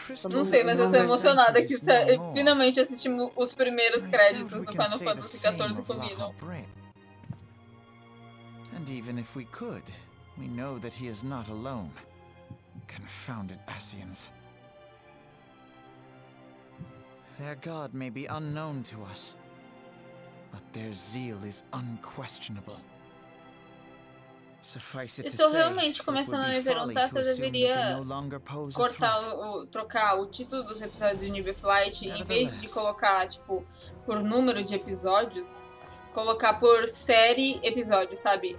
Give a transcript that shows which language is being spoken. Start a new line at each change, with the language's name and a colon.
Portuguese: Não sei, mas eu tô emocionada que finalmente assistimos os primeiros créditos do Final Fantasy XIV com Mino.
English: And even if we could, we know that he is not alone. Confounded Ascians. Their god may be unknown to us, but their zeal is unquestionable. Suffice it to say,
Portuguese: estou realmente começando a me perguntar se eu deveria cortar trocar o título dos episódios de Nimbus Light em vez de colocar, tipo, por número de episódios, colocar por série episódio, sabe?